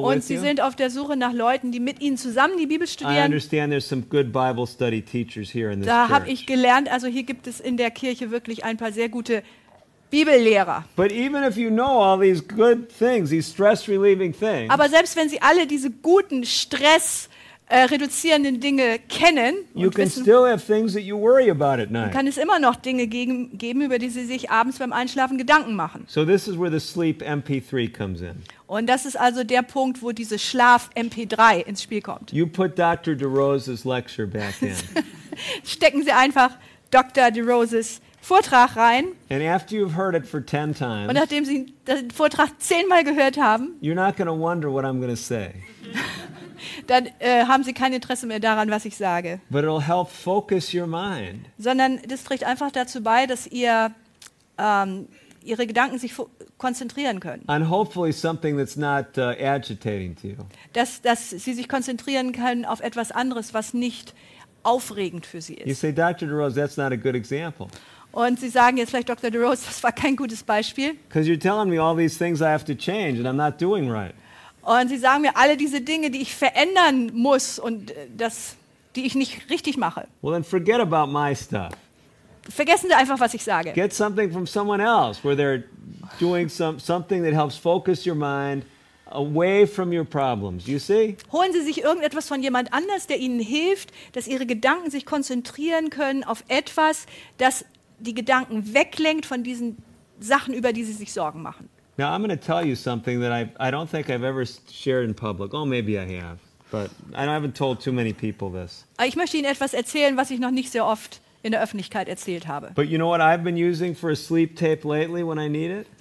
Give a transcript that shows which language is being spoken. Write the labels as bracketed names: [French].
[English] with you, [German] und Sie sind auf der Suche nach Leuten, die mit Ihnen zusammen die Bibel studieren, [English] I understand there's some good Bible study teachers. [German] Da habe ich gelernt, also hier gibt es in der Kirche wirklich ein paar sehr gute Bibellehrer. [English] But even if you know all these good things, these stress-relieving things, [German] aber selbst wenn Sie alle diese guten Stress reduzierenden Dinge kennen, [English] you can [German] wissen, [English] still have things that you worry about at night. [German] Kann es immer noch Dinge geben, über die Sie sich abends beim Einschlafen Gedanken machen. [English] So this is where the sleep MP3 comes in. [German] Und das ist also der Punkt, wo diese Schlaf MP3 ins Spiel kommt. [English] You put Dr. DeRose's lecture back in. [German] Stecken Sie einfach Dr. DeRose's Vortrag rein. [English] And after you've heard it for 10 times, [German] und nachdem Sie den Vortrag 10-mal gehört haben, [English] you're not going to wonder what I'm going to say. [German] Dann haben Sie kein Interesse mehr daran, was ich sage. [English] But it'll help focus your mind. [German] Sondern das trägt einfach dazu bei, dass ihr Ihre Gedanken sich konzentrieren können. [English] And hopefully something that's not agitating to you. [German] Dass Sie sich konzentrieren können auf etwas anderes, was nicht aufregend für Sie ist. [English] You say, Dr. DeRose, that's not a good example. [German] Und Sie sagen jetzt vielleicht, Dr. DeRose, das war kein gutes Beispiel. [English] Because you're telling me all these things I have to change and I'm not doing right. [German] Und Sie sagen mir alle diese Dinge, die ich verändern muss und das, die ich nicht richtig mache. [English] Well, then forget about my stuff. [German] Vergessen Sie einfach, was ich sage. [English] Get something from someone else, where they're doing something that helps focus your mind away from your problems. You see? [German] Holen Sie sich irgendetwas von jemand anders, der Ihnen hilft, dass Ihre Gedanken sich konzentrieren können auf etwas, das die Gedanken weglenkt von diesen Sachen, über die Sie sich Sorgen machen. [English] Now I'm going to tell you something that I don't think I've ever shared in public. Oh, maybe I have, but I haven't told too many people this. [German] Ich möchte Ihnen etwas erzählen, was ich noch nicht sehr oft in der Öffentlichkeit erzählt habe. [English] But you know what I've been using for a sleep tape lately when I need it?